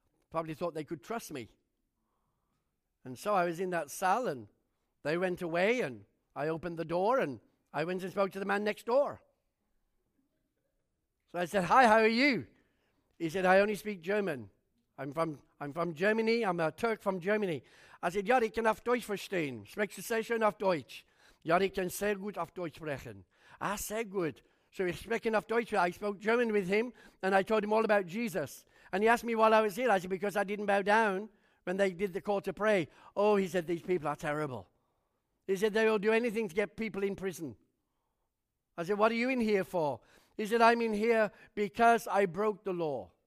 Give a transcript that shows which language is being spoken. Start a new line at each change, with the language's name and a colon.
English: Probably thought they could trust me. And so I was in that cell, and they went away, and I opened the door, and I went and spoke to the man next door. So I said, "Hi, how are you?" He said, "I only speak German. I'm from Germany. I'm a Turk from Germany." I said,
German: "Ja, ich kann auf Deutsch verstehen. Sprechst du sehr schön auf Deutsch?" "Ja, ich kann sehr gut auf Deutsch sprechen." "Ah, sehr gut."
English: So he's speaking
German: auf Deutsch.
English: I spoke German with him, and I told him all about Jesus. And he asked me while I was here. I said, "Because I didn't bow down when they did the call to pray." "Oh," he said, "these people are terrible." He said, "They will do anything to get people in prison." I said, "What are you in here for?" He said, "I'm in here because I broke the law."